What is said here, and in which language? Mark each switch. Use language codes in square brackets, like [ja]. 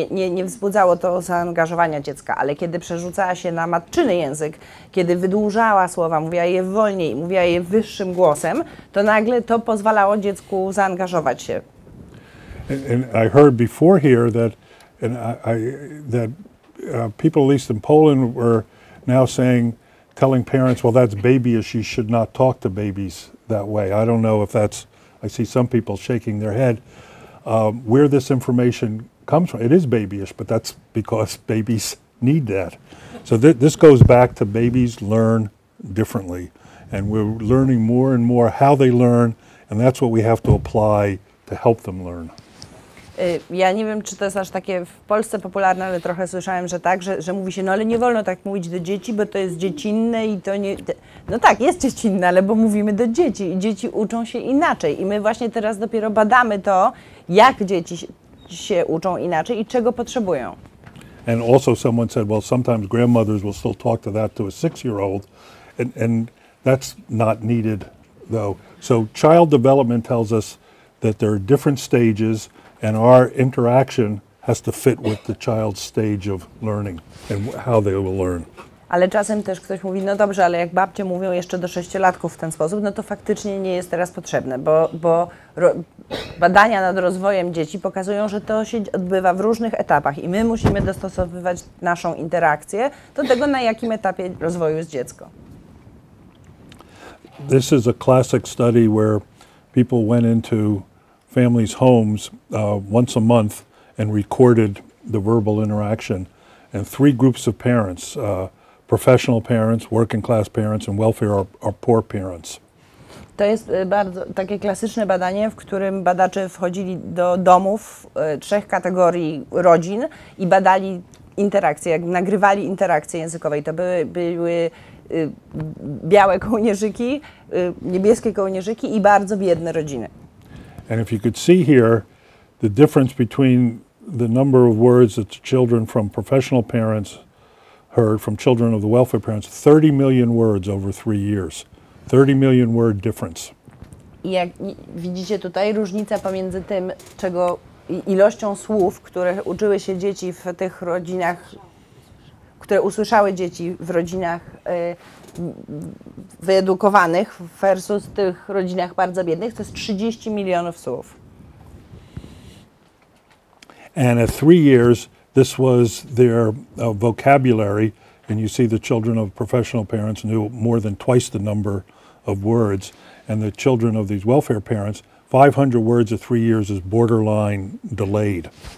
[pl] Nie wzbudzało to zaangażowania dziecka, ale kiedy przerzucała się na matczyny język, kiedy wydłużała słowa, mówiła je wolniej, mówiła je wyższym głosem, to nagle to pozwalało dziecku zaangażować się. [en] And I heard before here that, and that people, at least in Poland, were now saying, telling parents, well, that's babyish, you should not talk to babies that way. I don't know if that's, I see some people shaking their head. Where this information comes from, it is babyish, but that's because babies need that. So this goes back to babies learn differently. And we're learning more and more how they learn, and that's what we have to apply to help them learn. [pl] Ja nie wiem, czy to jest aż takie w Polsce popularne, ale trochę słyszałem, że tak, że mówi się, no ale nie wolno tak mówić do dzieci, bo to jest dziecinne i to nie... No tak, jest dziecinne, ale bo mówimy do dzieci i dzieci uczą się inaczej. I my właśnie teraz dopiero badamy to, jak dzieci się uczą inaczej i czego potrzebują. [en] And also someone said, well, sometimes grandmothers will still talk to that to a six-year-old, and that's not needed, though. So child development tells us that there are different stages, and our interaction has to fit with the child's stage of learning and how they will learn. [pl] Ale czasem też ktoś mówi, no dobrze, ale jak babcie mówią jeszcze do sześciolatków w ten sposób, no to faktycznie nie jest teraz potrzebne, bo badania nad rozwojem dzieci pokazują, że to się odbywa w różnych etapach i my musimy dostosowywać naszą interakcję do tego, na jakim etapie rozwoju jest dziecko. [en] This is a classic study where people went into families' homes once a month and recorded the verbal interaction. And three groups of parents, professional parents, working class parents, and welfare or poor parents. [pl] To jest bardzo takie klasyczne badanie, w którym badacze wchodzili do domów trzech kategorii rodzin i badali interakcje, jak nagrywali interakcje językowe. I to były białe kołnierzyki, niebieskie kołnierzyki i bardzo biedne rodziny. [en] And if you could see here, the difference between the number of words that the children from professional parents heard from children of the welfare parents, 30 million words over 3 years. 30 million word difference. [pl] I jak widzicie tutaj, różnica pomiędzy tym, czego ilością słów, które uczyły się dzieci w tych rodzinach, które usłyszały dzieci w rodzinach wyedukowanych versus tych rodzinach bardzo biednych, to jest 30 milionów słów. [en] And at 3 years, this was their vocabulary, and you see the children of professional parents knew more than twice the number of words, and the children of these welfare parents, 500 words at 3 years is borderline delayed.